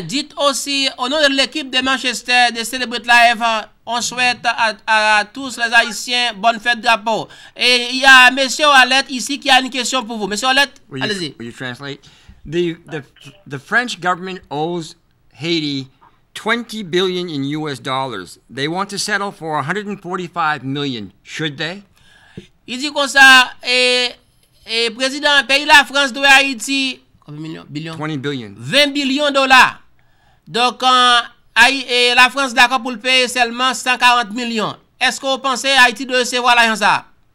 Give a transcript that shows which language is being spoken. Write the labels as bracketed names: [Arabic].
[French] Dites aussi, au nom de l'équipe de Manchester, de Celebrate Live, on souhaite à tous les Haïtiens bonne fête drapeau. Et il y a M. Ouellet ici qui a une question pour vous. M. Ouellet, allez-y. [English] Will you translate? The French government owes Haiti $20 billion in US dollars. They want to settle for $145 million. Should they? [French] Il dit comme ça, et président pays la France doit Haïti combien billion [English] 20 billion [French] 20 billions dollars. Donc la France d'accord pour le payer seulement 140 millions. Est-ce que vous pensez Haïti doit recevoir l'argent ça?